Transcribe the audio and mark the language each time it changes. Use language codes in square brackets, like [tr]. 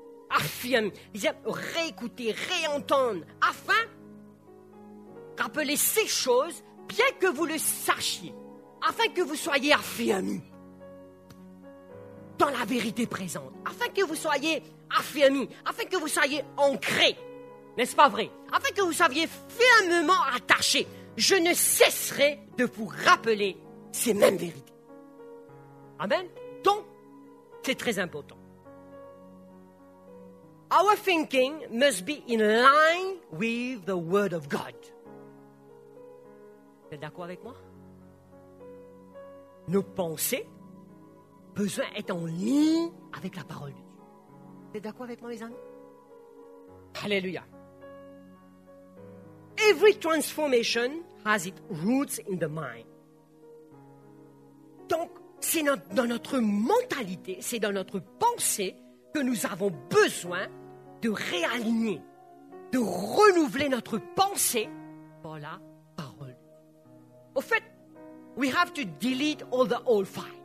[fr] Affirme, bien réécouter, réentendre, afin rappeler ces choses, bien que vous le sachiez, afin que vous soyez affirmés dans la vérité présente, afin que vous soyez affirmés, afin que vous soyez ancrés, n'est-ce pas vrai? Afin que vous soyez fermement attachés, je ne cesserai de vous rappeler ces mêmes vérités. Amen. Donc, c'est très important. [en] Our thinking must be in line with the word of God. [fr] Vous êtes d'accord avec moi? Nos pensées besoin être en ligne avec la parole de Dieu. Vous êtes d'accord avec moi, les amis? Alléluia. [en] Every transformation has its roots in the mind. [fr] Donc, c'est dans notre mentalité, c'est dans notre pensée que nous avons besoin de réaligner, de renouveler notre pensée par la parole. [en] Au fait, we have to delete all the old files.